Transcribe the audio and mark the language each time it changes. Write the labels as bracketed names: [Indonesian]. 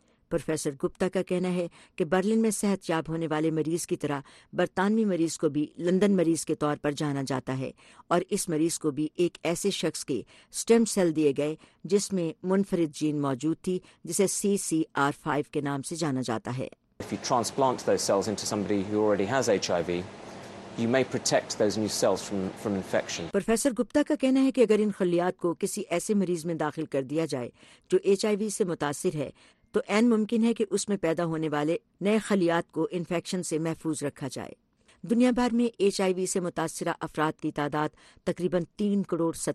[Urdu] Professor Gupta کا کہنا ہے کہ برلن میں صحت یاب ہونے والے مریض کی طرح برطانوی مریض کو بھی لندن مریض کے طور پر جانا جاتا ہے، اور اس مریض کو بھی ایک ایسے شخص کے سٹیم سیل دیے گئے جس میں منفرد جین موجود تھی جسے CCR5 کے نام سے جانا جاتا ہے۔ [English] If you transplant those cells into somebody who already has HIV, you may protect those new cells from infection. [Urdu] Professor Gupta کا کہنا ہے کہ اگر ان خلیات کو کسی ایسے مریض میں داخل کر دیا جائے جو HIV سے متاثر ہے تو این ممکن ہے کہ اس میں پیدا ہونے والے نئے خلیات کو انفیکشن سے محفوظ رکھا جائے۔ دنیا بھر میں ایچ آئی وی سے متاثرہ افراد کی تعداد تقریباً 3.7 کروڑ